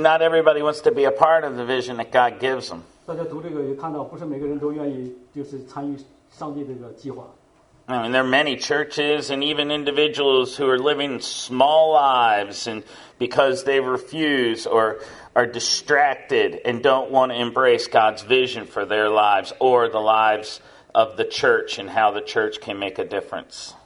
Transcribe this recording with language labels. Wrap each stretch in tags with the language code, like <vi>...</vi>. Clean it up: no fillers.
<en>not everybody wants to be a part of the vision that God gives them.</en> <zh>大家读这个也看到，不是每个人都愿意就是参与上帝这个计划。</zh> <en>I mean, there are many churches and even individuals who are living small lives and because they refuse or are distracted and don't want to embrace God's vision for their lives or the lives of the church and how the church can make a difference.</en>